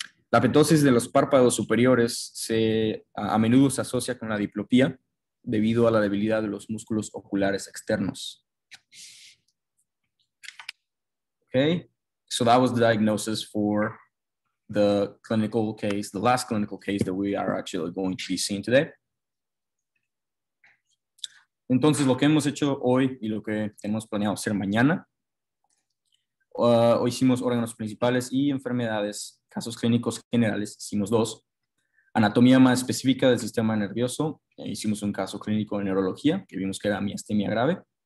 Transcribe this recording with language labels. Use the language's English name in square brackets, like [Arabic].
[Spanish] La ptosis de los párpados superiores a menudo se asocia con la diplopía debido a la debilidad de los músculos oculares externos. [English] Okay, so that was the diagnosis for the clinical case, the last clinical case that we are actually going to be seeing today. [Spanish] Entonces, lo que hemos hecho hoy y lo que tenemos planeado hacer mañana, hoy hicimos órganos principales y enfermedades, casos clínicos generales, hicimos dos. Anatomía más específica del sistema nervioso, hicimos un caso clínico de neurología, que vimos que era miastenia grave.